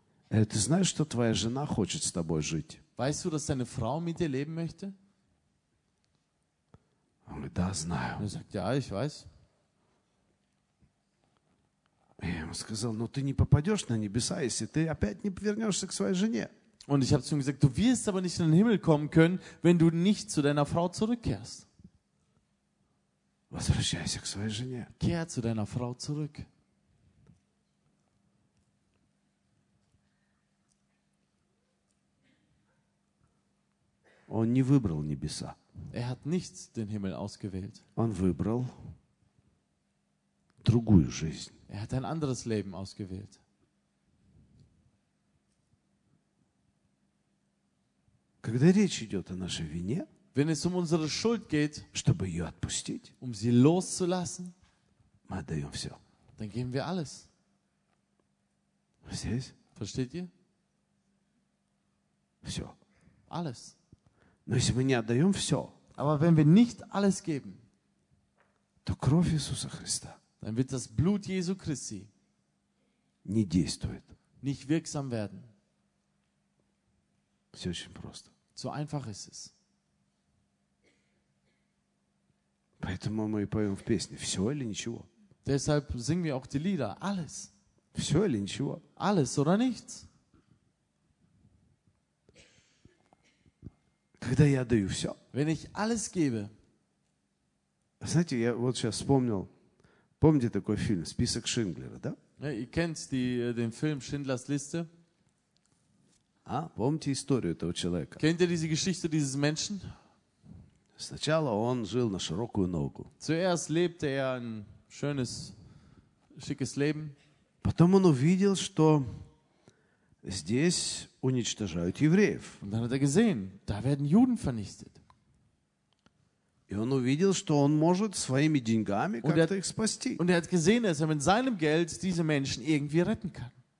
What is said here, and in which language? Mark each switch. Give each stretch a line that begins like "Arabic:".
Russian: Ты знаешь, что твоя жена хочет с тобой жить?
German: Weißt du, dass deine Frau mit dir leben möchte?
Russian: Он говорит, да, знаю.
German: Und sagte, ja, ich weiß.
Russian: Я ему сказал, ну ты не попадешь на небеса, если ты опять не вернешься к своей жене.
German: Und ich habe zu ihm gesagt, du wirst aber nicht in den Himmel kommen können, wenn du nicht zu deiner Frau zurückkehrst.
Russian: Возвращайся к своей жене.
German: Kehr zu deiner Frau zurück.
Russian: Он не выбрал небеса.
German: Er hat nicht den Himmel ausgewählt.
Russian: Он выбрал другую жизнь.
German: Er hat ein anderes Leben ausgewählt.
Russian: Когда речь идет о нашей вине,
German: wenn es um unsere Schuld geht,
Russian: чтобы ее отпустить,
German: um sie loszulassen,
Russian: мы отдаем все.
German: Dann geben wir alles.
Russian: Здесь?
German: Versteht ihr?
Russian: Все.
German: Alles.
Russian: Но если мы не отдаем все,
German: aber wenn wir nicht alles geben,
Russian: то кровь Иисуса Христа,
German: dann wird das Blut Jesu Christi,
Russian: не действует.
German: Nicht wirksam werden.
Russian: Все очень просто.
German: So einfach ist es.
Russian: Поэтому мы и поем в песне «Все или ничего».
German: Deshalb singen wir auch die Lieder «Alles».
Russian: Все или ничего.
German: Alles oder nichts.
Russian: Когда я даю все.
German: Wenn ich alles gebe.
Russian: Знаете, я вот сейчас вспомнил, помните такой фильм «Список Шиндлера», да?
German: Ja, ihr kennt den Film «Schindlers Liste».
Russian: А, помните историю этого человека?
German: Kennt ihr diese Geschichte dieses Menschen?
Russian: Сначала он жил на широкую ногу.
German: Zuerst lebte er ein schönes, schickes Leben.
Russian: Потом он увидел, что здесь уничтожают евреев.
German: Und dann hat er gesehen, da werden Juden vernichtet.
Russian: И он увидел, что он может своими деньгами как-то их спасти.
German: Und er hat gesehen, dass er mit seinem Geld diese Menschen irgendwie retten kann.